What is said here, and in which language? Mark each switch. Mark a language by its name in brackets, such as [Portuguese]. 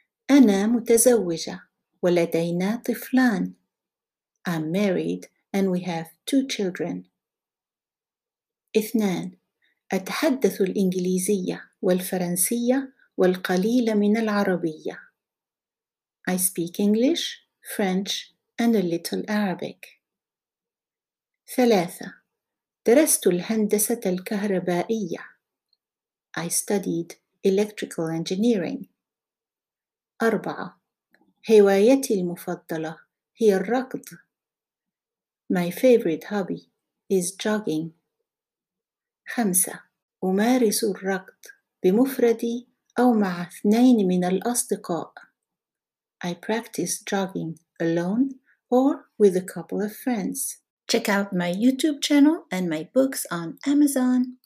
[Arabic] أنا متزوجة ولدينا طفلان. [English] I'm married and we have two children. 2. [Arabic] أتحدث الإنجليزية والفرنسية والقليل من العربية. [English] I speak English, French and a little Arabic. 3. [Arabic] درست الهندسة الكهربائية. [English] I studied electrical engineering. 4. [Arabic] هوايتي المفضلة هي الركض. [English] My favorite hobby is jogging. 5. [Arabic] أمارس الركض بمفردي أو مع اثنين من الأصدقاء. [English] I practice jogging alone or with a couple of friends. Check out my YouTube channel and my books on Amazon.